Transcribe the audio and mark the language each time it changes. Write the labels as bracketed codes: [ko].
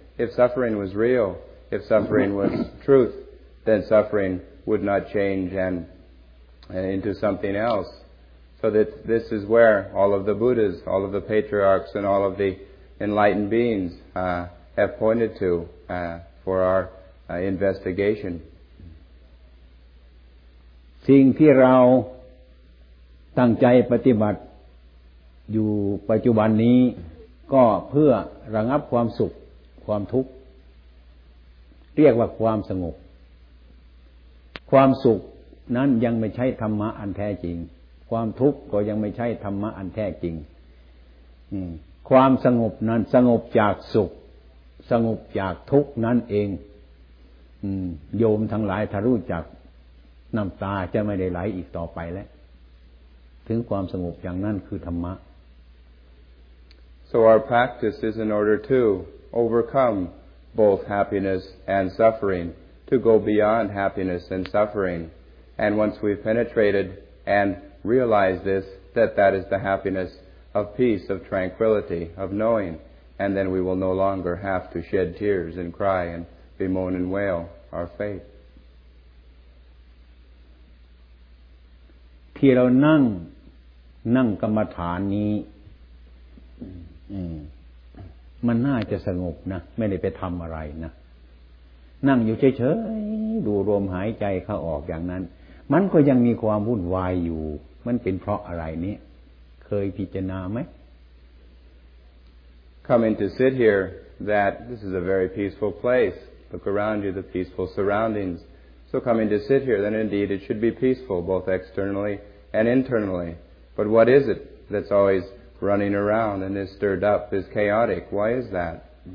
[en] If suffering was real, if suffering was truth, then suffering would not change and into something else. So that this is where all of the Buddhas, all of the patriarchs, and all of the enlightened beings have pointed to for our investigation. [th] สิ่งที่เราตั้งใจปฏิบัติอยู่ปัจจุบันนี้ก็เพื่อระงับความสุขความทุกข์เรียกว่าความสงบ ความสุขนั้นยังไม่ใช่ธรรมะอันแท้จริงความทุกข์ก็ยังไม่ใช่ธรรมะอันแท้จริงความสงบนั้นสงบจากสุขสงบจากทุกข์นั้นเองโยมทั้งหลายถ้ารู้จักน้ำตาจะไม่ได้ไหลอีกต่อไปแล้วถึงความสงบอย่างนั้นคือธรรมะ [en] So our practice is in order to overcome both happiness and suffering, to go beyond happiness and suffering. And once we've penetrated and realized this, that that is the happiness of peace, of tranquility, of knowing. And then we will no longer have to shed tears and cry and bemoan and wail our fate. [th] ที่เรานั่งนั่งกรรมฐานนี้มันน่าจะสงบนะไม่ได้ไปทำอะไรนะนั่งอยู่เฉยๆดูลมหายใจเข้าออกอย่างนั้นมันก็ยังมีความวุ่นวายอยู่มันเป็นเพราะอะไรเนี่ยเคยพิจารณาไหม [en] Coming to sit here that this is a very peaceful place look around you the peaceful surroundings so coming to sit here then indeed it should be peaceful both externally and internally but what is it that's alwaysrunning around and is stirred up is chaotic why is that